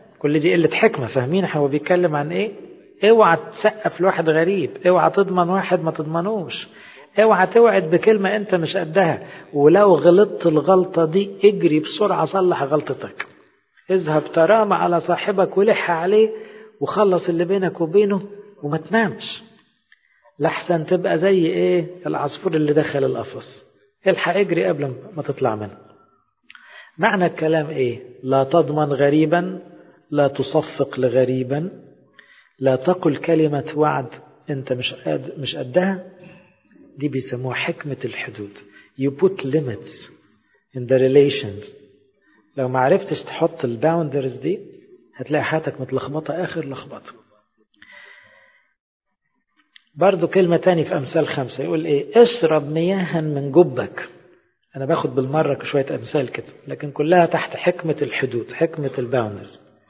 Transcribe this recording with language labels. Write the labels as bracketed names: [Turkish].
[Arabic] كل دي قلة حكمة، فاهمين هو بيتكلم عن إيه؟ اوعى تسقف لواحد غريب، اوعى تضمن واحد ما تضمنوش، اوعى توعد بكلمة انت مش قدها، ولو غلطت الغلطة دي اجري بسرعة صلح غلطتك، اذهب ترامى على صاحبك ولح عليه وخلص اللي بينك وبينه وما تنامش، لحسن تبقى زي ايه؟ العصفور اللي دخل القفص، الحق اجري قبل ما تطلع منه. معنى الكلام ايه؟ لا تضمن غريبا، لا تصفق لغريبا، لا تقل كلمة وعد أنت مش قدها. دي بيسموها حكمة الحدود. [English] You put limits in the relations. [Arabic] لو ما عرفتش تحط الباوندرز دي هتلاقي حياتك متلخبطة آخر لخبطة. برضو كلمة تاني في أمثال 5 يقول إيه؟ اشرب مياها من جبك. أنا باخد بالمرة شوية أمثال كده لكن كلها تحت حكمة الحدود، حكمة الباوندرز.